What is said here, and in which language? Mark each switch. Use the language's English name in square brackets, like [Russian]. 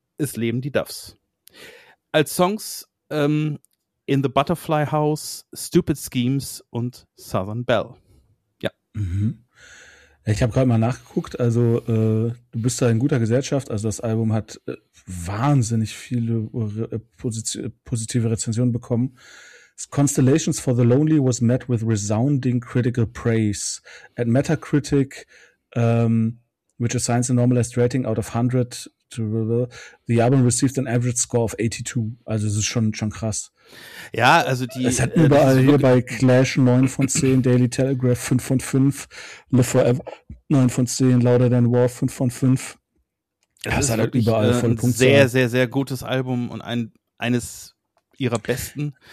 [German] Es leben die Duffs. Als Songs In the Butterfly House, Stupid Schemes und Southern Belle. Ja. Mhm. Ich habe gerade mal nachgeguckt, also du bist da in guter Gesellschaft, also das Album hat wahnsinnig viele positive Rezensionen bekommen. [English] Constellations for the Lonely was met with resounding critical praise. At Metacritic, which assigns a normalized rating out of 100 to the album received an average score of 82. [German] Also es ist schon krass. Ja, also die... Es hat überall hier bei Clash 9 von 10, Daily Telegraph 5 von 5, Live Forever 9 von 10, Louder Than War 5 von 5. Das hat überall voll Punkte. Sehr, sehr, sehr gutes Album und eines ihrer besten.